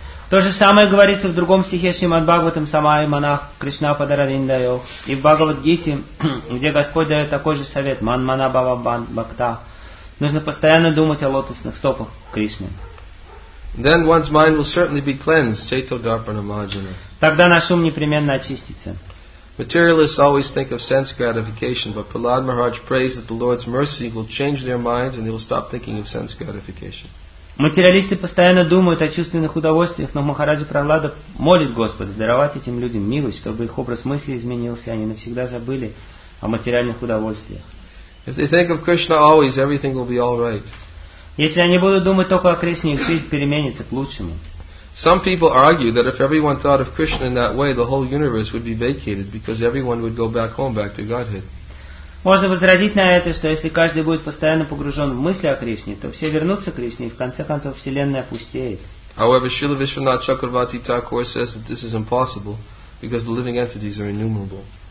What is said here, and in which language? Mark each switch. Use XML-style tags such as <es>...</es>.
<ru>То же самое говорится в другом стихе Шримад Бхагаватам</ru> <sa>Самай Манах Кришна Падара Виндайо.</sa> <ru>И в Бхагавад Гите, где Господь дает такой же совет,</ru> <sa>Ман Мана Бхава Бан Бхакта,</sa> <ru>нужно постоянно думать о лотосных стопах Кришны.</ru> <en>Then one's mind will certainly be cleansed,</en> <sa>Chaito Dharpana Majana.</sa> <ru>Тогда наш ум непременно очистится.</ru> <en>Materialists always think of sense gratification, but Prahlad Maharaj prays that the Lord's mercy will change their minds and they will stop thinking of sense gratification.</en> <ru>Материалисты постоянно думают о чувственных удовольствиях, но Махараджа Прахлада молит Господа даровать этим людям милость, чтобы их образ мысли изменился, и они навсегда забыли о материальных удовольствиях.</ru> <en>If they think of Krishna always, everything will be all right.</en> <ru>Если они будут думать только о Кришне, их жизнь переменится к лучшему.</ru> <en>Some people argue that if everyone thought of Krishna in that way, the whole universe would be vacated, because everyone would go back home, back to Godhead.</en> <ru>Можно возразить на это, что если каждый будет постоянно погружен в мысли о Кришне, то все вернутся к Кришне, и в конце концов Вселенная опустеет.</ru> <en>However, Srila Vishwanath Chakravarti Thakur says that this is impossible, because the living entities are innumerable.</en>